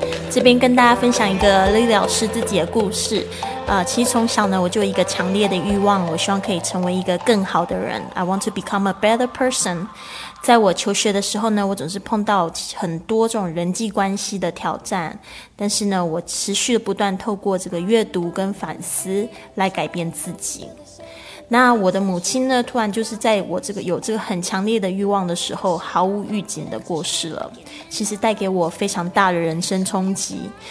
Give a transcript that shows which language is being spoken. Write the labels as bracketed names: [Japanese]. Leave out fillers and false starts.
[Chinese] 这边跟大家分享一个Lily老师自己的故事，其实从小呢，我就有一个强烈的欲望，我希望可以成为一个更好的人。 [English] I want to become a better person。 [Chinese] 在我求学的时候呢，我总是碰到很多种人际关系的挑战，但是呢，我持续不断透过这个阅读跟反思来改变自己。那我的母亲呢，突然就是在我这个有这个很强烈的欲望的时候毫无预警的过世了，其实带给我非常大的人生冲击。